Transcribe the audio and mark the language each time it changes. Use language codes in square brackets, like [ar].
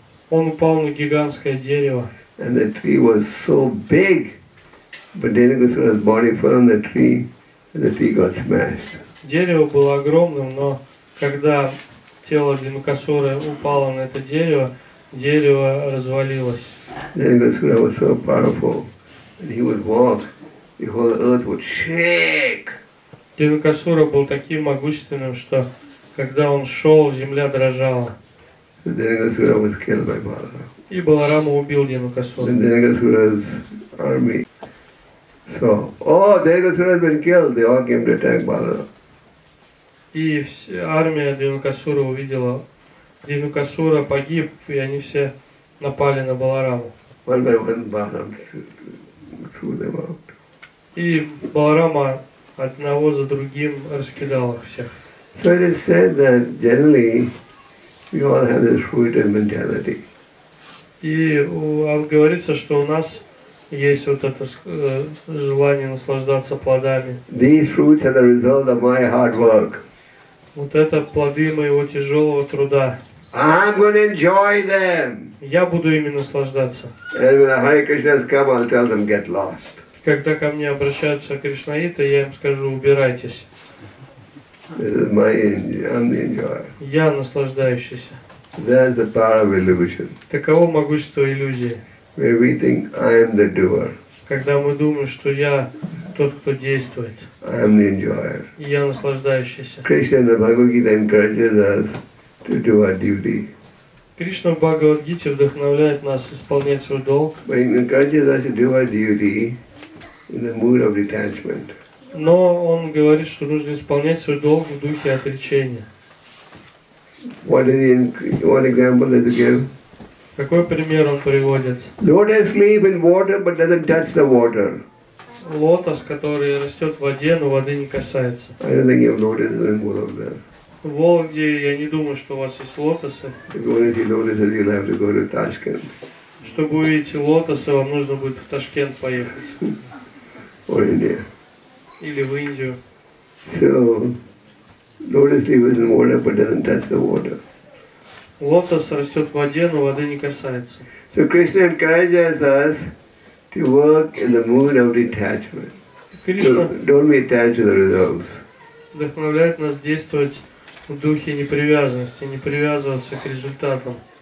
[ru] Он упал на гигантское дерево. [en] And the tree was so big, but Devadatta's body fell on the tree, and the tree got smashed. [ru] Дерево было огромным, но когда тело Девадатты упало на это дерево, дерево развалилось. [en] Devadatta was so powerful, and he would walk, the whole earth would shake. [ru] Девадатта был таким могущественным, что когда он шел, земля дрожала. [en] Devadatta was killed by Balaram. [ru] И Баларама убил Девадатту. [en] And Devadatta's army. So, oh, Devadatta has been killed. They all came to attack Balaram. [ru] И армия Девадатты увидела, Девадатта погиб, и они все напали на Балараму. [en] One by one, Balaram threw them out. [ru] И Баларама одного за другим раскидал их всех. [en] So it is said that generally we all have this rooted mentality. [ru] И говорится, что у нас есть вот это желание наслаждаться плодами. [en] These fruits are the result of my hard work. [ru] Вот это плоды моего тяжелого труда. [en] I'm going to enjoy them. [ru] Я буду ими наслаждаться. [en] And when the Hare Krishnas come, I'll tell them get lost. [ru] Когда ко мне обращаются кришнаиты, я им скажу убирайтесь. [en] This is my enjoyer. [ru] Я наслаждающийся. [en] That's the power of illusion. [ru] Таково могущество иллюзии. [en] Where we think I am the doer. [ru] Когда мы думаем, что я тот, кто действует. [en] I am the enjoyer. [ru] Я наслаждающийся. [en] Krishna in the Bhagavad Gita encourages us to do our duty. [ru] Кришна в Бхагавад Гите вдохновляет нас исполнять свой долг. [en] But he encourages us to do our duty in the mood of detachment. [ru] Но он говорит, что нужно исполнять свой долг в духе отречения. [en] What example does he give? [ru] Какой пример он приводит? [en] Lotus sleep in water, but doesn't touch the water. [ru] Лотос, который растет в воде, но воды не касается. [en] I don't think you have lotuses in Vologda. [ru] В Вологде я не думаю, что у вас есть лотосы. [en] If you want to see lotuses, you'll have to go to Tashkent. [ru] Чтобы увидеть лотосы, вам нужно будет в Ташкент поехать. [en] Or India. [ru] Или в Индию. [en] So. Lotus leaf is in water, but doesn't touch the water. [ru] Лотос растет в воде, но воды не касается. [en] So Krishna encourages us to work in the mood of detachment. Don't be attached to the results. [ru] Вдохновляет нас действовать в духе непривязанности, не привязываться к результатам.